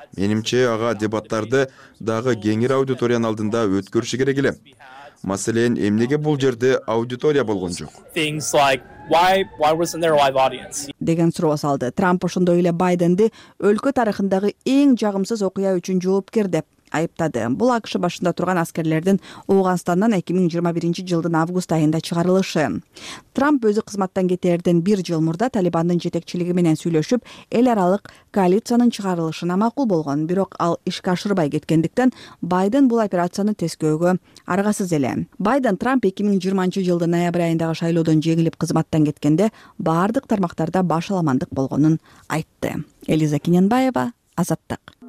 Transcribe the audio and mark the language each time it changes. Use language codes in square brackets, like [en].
[ky] Менимче, ага дебаттарды дагы кеңири аудиториянын алдында өткөрүшү керек эле. Маселен, эмнеге бул жерде аудитория болгон жок? [en] Why wasn't there a live audience? [ky] Деген суроо салды. Трамп ошондой эле Байденди өлкө тарыхындагы эң жагымсыз окуя үчүн жоопкер деп айыптады. Бул АКШ башында турган аскерлердин Ооганстандан 2021 жылдын август айында чыгарылышы. Трамп өзү кызматтан кетерден бир жыл мурда Талибандын жетекчилиги менен сүйлөшүп, эл аралык коалициянын чыгарылышына макул болгон. Бирок ал ишке ашырбай кеткендиктен Байден бул операцияны тескөөгө аргасыз эле. Байден Трамп 2020 жылдын ноябрь айындагы шайлоодон жеңилип кызматтан кеткенде баардык тармактарда баш аламандык болгонун айтты. Элиза Кененбаева, Азаттык.